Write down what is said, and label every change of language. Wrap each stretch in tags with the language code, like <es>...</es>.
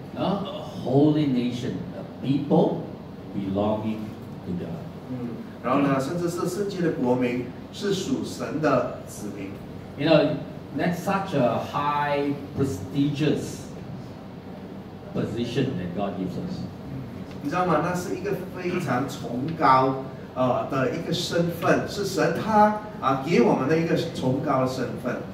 <en>A holy nation, a people belonging to God.</en> <zh>然后呢，甚至是圣洁的国民，是属神的子民。</zh> <en>You know, that's such a high, prestigious position that God gives us.</en> <zh>你知道吗？那是一个非常崇高的一个身份，是神他给我们的一个崇高的身份。</zh>